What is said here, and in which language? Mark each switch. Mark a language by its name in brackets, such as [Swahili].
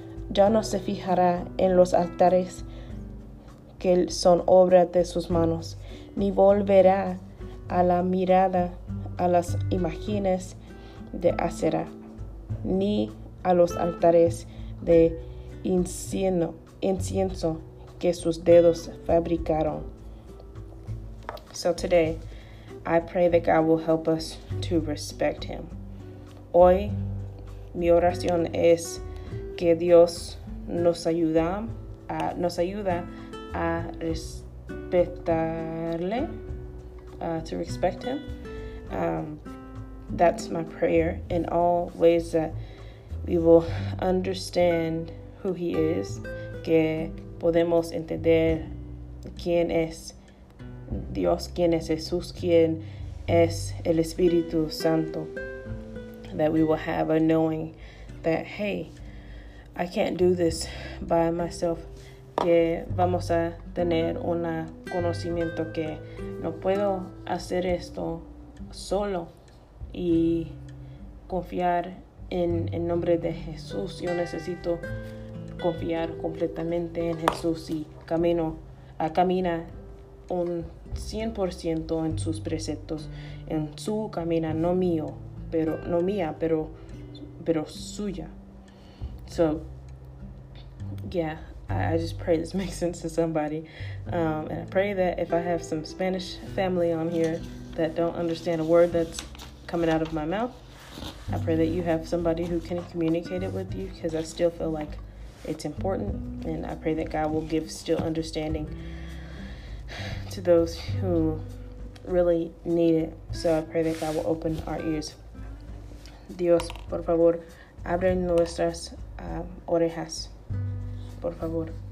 [Spanish] Ya no se fijará en los altares que son obra de sus manos, ni volverá a la mirada a las imágenes de Acera, ni a los altares de incienso que sus dedos fabricaron. [English] So today, I pray that God will help us to respect him. [Spanish] Hoy, mi oración es que Dios nos ayuda a respetarle, [English] to respect him. That's my prayer in all ways that we will understand who he is, [Spanish] que podemos entender quién es Dios, quién es Jesús, quién es el Espíritu Santo. [English] that we will have a knowing that, hey, I can't do this by myself. [Spanish] Que vamos a tener un conocimiento que no puedo hacer esto solo y confiar en el nombre de Jesús. Yo necesito confiar completamente en Jesús y camina un 100% en sus preceptos, en su camino, no mía, pero suya. [English] So, yeah, I just pray this makes sense to somebody. And I pray that if I have some Spanish family on here that don't understand a word that's coming out of my mouth, I pray that you have somebody who can communicate it with you, because I still feel like it's important, and I pray that God will give still understanding to those who really need it. So I pray that God will open our ears. [Spanish] Dios, por favor, abre nuestras orejas, por favor.